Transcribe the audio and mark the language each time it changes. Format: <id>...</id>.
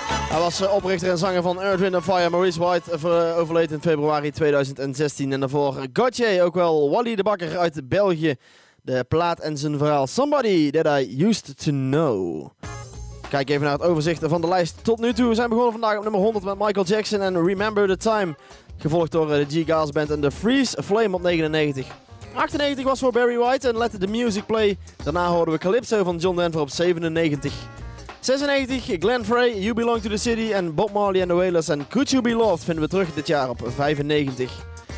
<nl>Hij was oprichter en zanger van Earth, Wind & Fire. Maurice White overleed in februari 2016. En daarvoor Gautier, ook wel Wally de Bakker uit België. De plaat en zijn verhaal.</nl> <en>Somebody that I used to know.</en> <nl>Kijk even naar het overzicht van de lijst tot nu toe. We zijn begonnen vandaag op nummer 100 met Michael Jackson en Remember the Time. Gevolgd door de G-Gals Band en The Freeze Flame op 99. 98 was voor Barry White en Let the Music Play. Daarna hoorden we Calypso van John Denver op 97. 96, Glenn Frey, You Belong to the City en Bob Marley and the Wailers en Could You Be Loved vinden we terug dit jaar op 95.</nl>